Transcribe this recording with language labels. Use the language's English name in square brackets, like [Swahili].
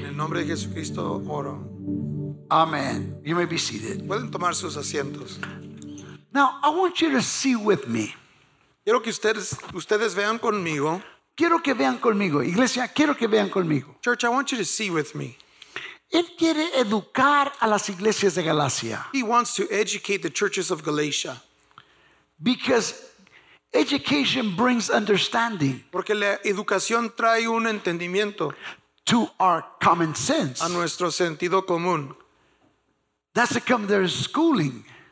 [Spanish] En el nombre de Jesucristo oro. [English] Amen. You may be seated. [Spanish] Pueden tomar sus asientos. [English] Now, I want you to see with me. [Spanish] Quiero que ustedes vean conmigo. Quiero que vean conmigo. Iglesia, quiero que vean conmigo. [English] Church, I want you to see with me. [Spanish] Él quiere educar a las iglesias de Galacia. [English] He wants to educate the churches of Galatia. Because education brings understanding. [Spanish] Porque la educación trae un entendimiento. [English] To our common sense. [Spanish] A nuestro sentido común. [English] That's how come there's schooling.